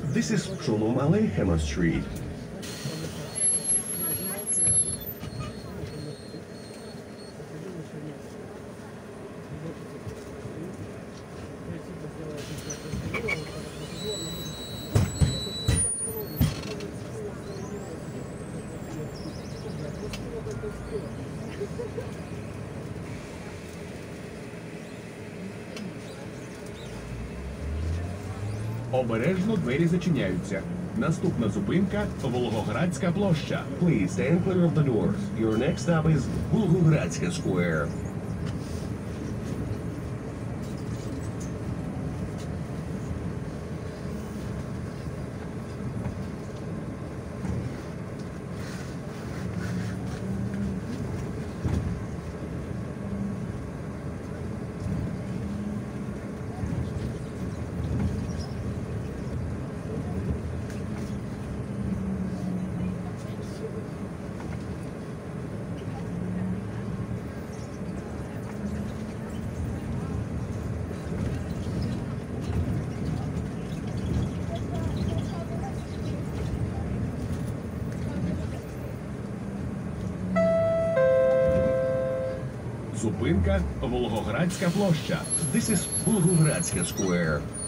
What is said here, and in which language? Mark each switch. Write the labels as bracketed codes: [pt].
[en] This is Шолом Алейхема Street. [uk] Вулиця Шолом Алейхема Street. Обережно двері зачиняються. Наступна зупинка – Волгоградська площа. [en] Please stand clear of the doors. Your next stop is Волгоградська Square. [uk] Зупинка – Волгоградська площа. [en] This is Волгоградська Square.